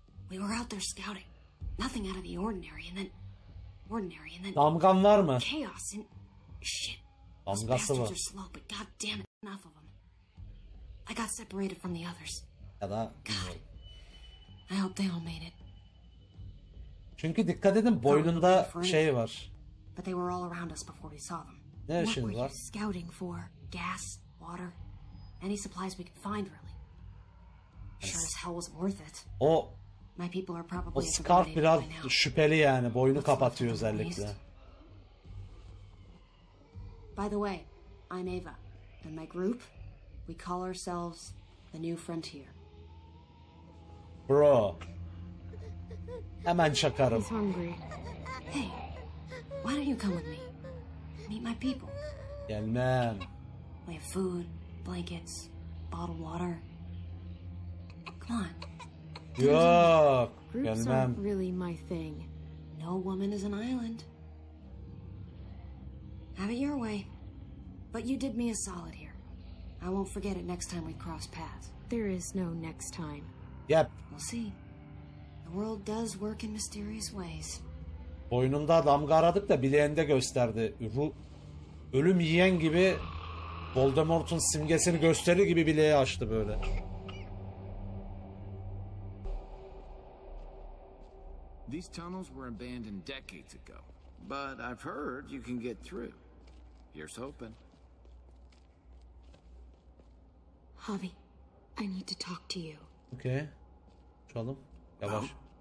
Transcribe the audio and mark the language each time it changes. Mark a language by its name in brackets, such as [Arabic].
[English] We were out there scouting. Nothing out of the ordinary, and then ordinary, and then [Turkish] damgan var mı? [English] Chaos and shit. [Turkish] Damgası var. [English] Bastards are slow, but goddamn it, enough of them. I got separated from the others. [Turkish] Ya da [English] God. I hope they all made it. [Turkish] Çünkü dikkat edin, boynunda şey var. [English] But they were all around us before we saw them. [Turkish] Ne işin var? [English] What were you scouting for? Gas, water, any supplies we could find, really. Sure as hell wasn't worth it. Oh, my people are probably. [Turkish] O scarf biraz şüpheli yani, boynu kapatıyor özellikle. [English] By the way, I'm Ava, and my group, we call ourselves the New Frontier. [Turkish] Bro, hemen çakarım. [English] He's hungry. Hey, why don't you come with me? Meet my people. [Turkish] Gelmem. [English] We have food, blankets, bottled water. Come on. [Turkish] Yok, gelmem. [English] Groups aren't really my thing. No woman is an island. Have it your way. But you did me a solid here. I won't forget it next time we cross paths. There is no next time. Yep. We'll see. The world does work in mysterious ways. [Turkish] Boynunda damga aradık da bileğinde gösterdi. Ölüm yiyen gibi Voldemort'un simgesini gösterir gibi bileği açtı böyle. [English] These tunnels were abandoned decades ago, but I've heard you can get through. Here's hoping. Javi, I need to talk to you. [Turkish] Okay. Çalım. Yavaş.